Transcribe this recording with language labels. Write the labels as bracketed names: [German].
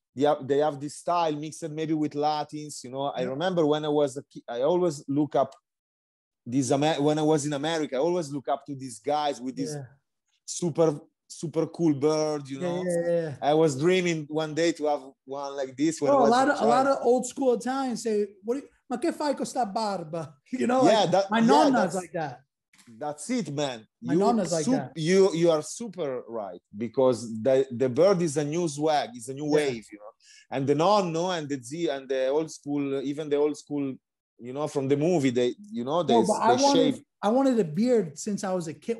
[English] Yeah, they have this style mixed maybe with Latins, you know. I remember when I was a kid, I always look up these when I was in America, I always look up to these guys with this super, super cool bird, you know. Yeah. I was dreaming one day to have one like this. A lot of old school Italians say, [Italian] ma che fai con sta barba? [English] You know, nonna's like that. That's it, man. My nonna's like that. You are super right, because the bird is a new swag, it's a new wave, you know. And the nonno and the Z and the old school, even the old school, you know, from the movie, they shave. I wanted a beard since I was a kid.